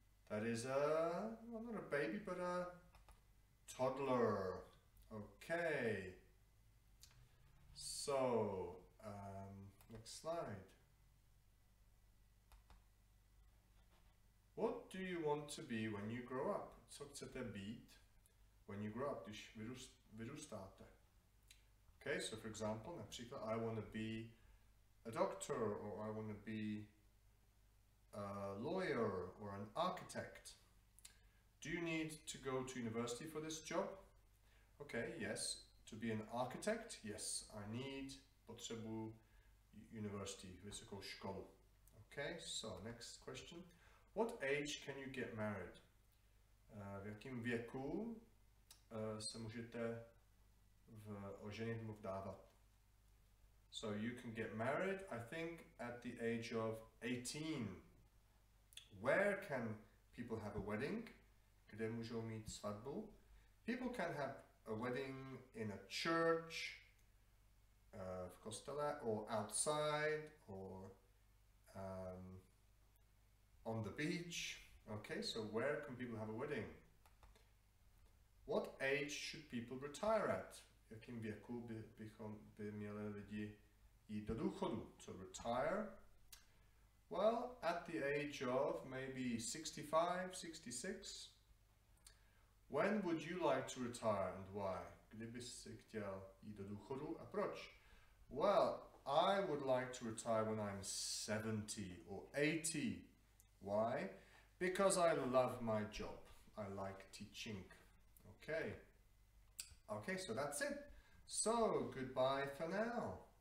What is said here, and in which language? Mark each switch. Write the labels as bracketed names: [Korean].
[English] That is a, well, not a baby, but a toddler. Okay. So, next slide. What do you want to be when you grow up? [Czech] Co chcete být [English] when you grow up, [Czech] když vyrůstáte? [English] Okay, so for example, například, I want to be a doctor, or I want to be a lawyer or an architect. Do you need to go to university for this job? Okay, yes. To be an architect, yes, I need, [Czech] potřebuji [English] university, [Czech] vysokou školu. [English] Okay, so next question. What age can you get married? [Czech] V jakém věku se můžete oženit nebo vdávat? [English] So you can get married, I think, at the age of 18. Where can people have a wedding? [Czech] Kde můžou mít svatbu? [English] People can have a wedding in a church, [Czech] v kostele, [English] or outside, or on the beach. Okay, so where can people have a wedding? What age should people retire at? [Czech] Jakým věku bychom by měli lidi jít do důchodu, [English] to retire. Well, at the age of maybe 65, 66, when would you like to retire and why? [Czech] Kdybys si chtěl jít do důchodu a proč? [English] Well, I would like to retire when I'm 70 or 80. Why? Because I love my job. I like teaching. Okay. Okay, so that's it. So, goodbye for now.